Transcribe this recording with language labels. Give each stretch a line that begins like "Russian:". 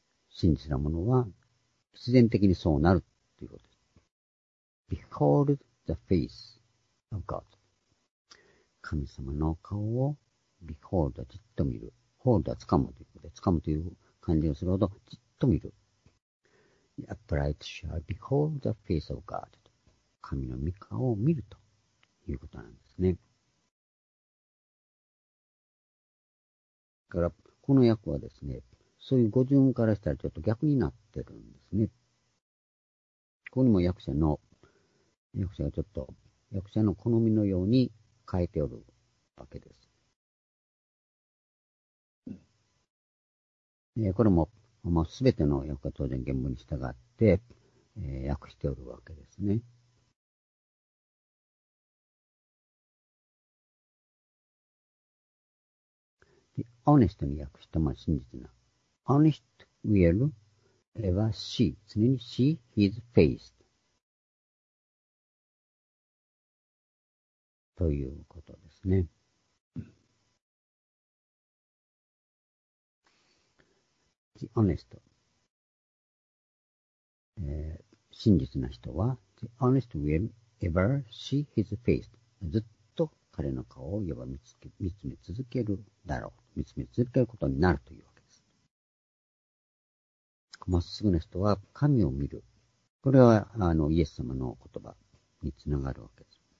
Japanese: 真実なものは、必然的にそうなるということです。
English: behold the face of God.
Japanese: 神様の顔を behold はじっと見る。 hold は掴むということで、掴むという感じをするほど、じっと見る。
English: Upright shall behold the face of God.
Japanese: 神の御顔を見るということなんですね。だから、この訳はですね、そういう語順からしたらちょっと逆になってるんですね。ここにも訳者がちょっと、訳者の好みのように変えておるわけです。これも、まあ、すべての訳は当然原文に従って、訳しておるわけですね。で、オネストに訳した、まあ、真実な。
English: Honest will ever see, 常に see his face.
Japanese: ということですね。
English: The honest.
Japanese: 真実な人は、
English: The honest will ever see his face.
Japanese: ずっと彼の顔を呼ば見つめ続けるだろう。見つめ続けることになるというわけです。まっすぐな人は神を見る。これはイエス様の言葉につながるわけです。